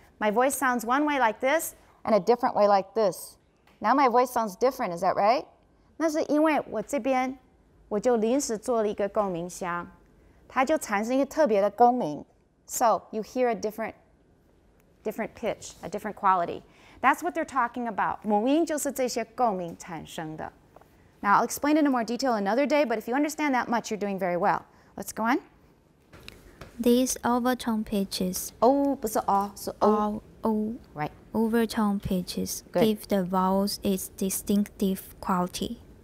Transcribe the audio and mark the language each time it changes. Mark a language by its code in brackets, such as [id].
[en] My voice sounds one way like this, and a different way like this. Now my voice sounds different, is that right? [zh] 那是因为我这边我就临时做了一个共鸣箱，它就产生一个特别的共鸣。 [en] So you hear a different pitch, a different quality. That's what they're talking about. [zh] 母音就是这些共鸣产生的。 [en] Now I'll explain it in more detail another day, but if you understand that much, you're doing very well. Let's go on. These overtone pitches. Oh, [zh] 不是 [en] O, 是 O. O. Right. Overtone pitches、 Good. Give the vowels its distinctive quality.